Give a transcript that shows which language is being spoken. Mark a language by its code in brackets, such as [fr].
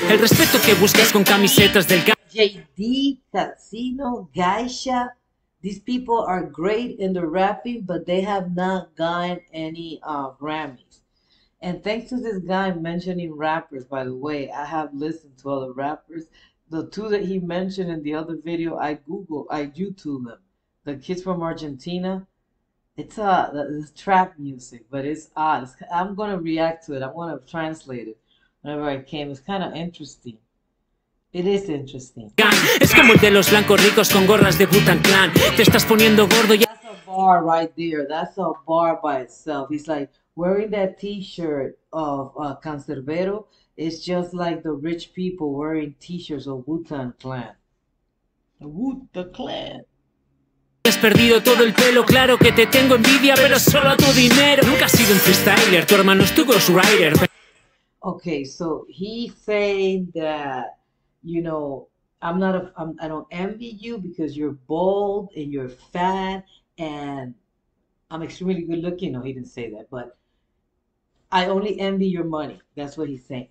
[es] El respeto que buscas con camisetas del ga. [en] JD, Casino, Gaisha, these people are great in the rapping, but they have not gotten any Grammys. And thanks to this guy mentioning rappers, by the way, I have listened to other rappers. The two that he mentioned in the other video, I YouTube them. The kids from Argentina. It's this trap music, but it's odd. I'm gonna react to it. I'm gonna translate it whenever I can. It's kind of interesting. It is interesting. [es] Es como el de los blancos ricos con gorras de Wu-Tang Clan. Te estás poniendo gordo ya. [en] That's a bar right there. That's a bar by itself. He's like wearing that t-shirt of Canserbero. It's just like the rich people wearing t-shirts of Wu-Tang Clan. The Clan. [es] Has perdido todo el pelo, claro que te tengo envidia, pero solo a tu dinero. Nunca has sido un freestyler, tu hermano es tu ghostwriter. [en] Okay, so he's saying that, you know, I'm not a, I'm, I don't envy you because you're bald and you're fat and I'm extremely good looking. No, he didn't say that, but I only envy your money. That's what he's saying.